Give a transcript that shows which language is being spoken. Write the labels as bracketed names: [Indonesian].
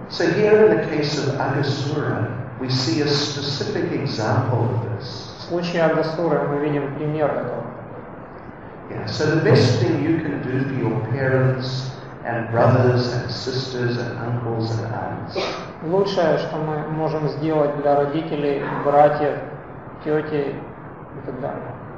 [English] So here in the case of Agasura, we see a specific example of this. [Russian] В случае Агасуры мы видим пример этого. [English] Yeah, so the best thing you can do for your parents and brothers and sisters and uncles and aunts. [Russian] Лучшее, что мы можем сделать для родителей, братьев, тети и так далее.